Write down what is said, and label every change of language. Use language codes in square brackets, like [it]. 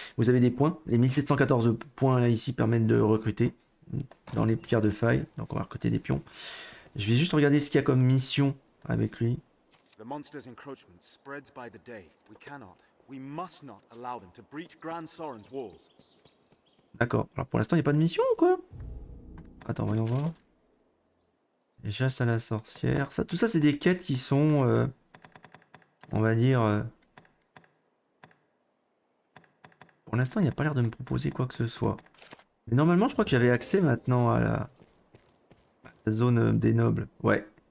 [fr] Vous avez des points, les 1714 points là, ici permettent de recruter dans les pierres de faille, donc on va recruter des pions. Je vais juste regarder ce qu'il y a comme mission avec lui. [en] The monster's encroachment spreads by the day. We cannot, we must not allow them to breach Grand Sorin's walls. [fr] D'accord. Alors pour l'instant, il n'y a pas de mission ou quoi? Attends, voyons voir. Les chasses à la sorcière. Ça, tout ça, c'est des quêtes qui sont On va dire. Pour l'instant, il n'y a pas l'air de me proposer quoi que ce soit. Mais normalement, je crois que j'avais accès maintenant à la zone des nobles. Ouais.